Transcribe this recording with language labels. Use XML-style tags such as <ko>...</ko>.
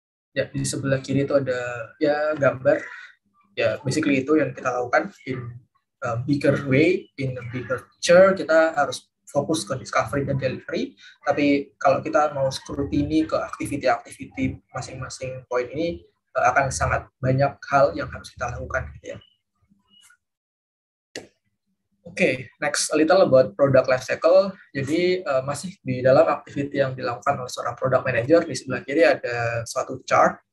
<id>Ya, di sebelah kiri itu ada ya gambar. Ya, basically itu yang kita lakukan</id> <en>in a bigger way, in a bigger picture.</en> <id>Kita harus fokus ke discovery dan delivery. Tapi kalau kita mau scrutiny ke activity-activity masing-masing poin ini, akan sangat banyak hal yang harus kita lakukan. Gitu ya.</id> <en>Okay, next a little about product life cycle.</en> <id>Jadi masih di dalam activity yang dilakukan oleh seorang product manager, di sebelah kiri ada suatu chart.</id>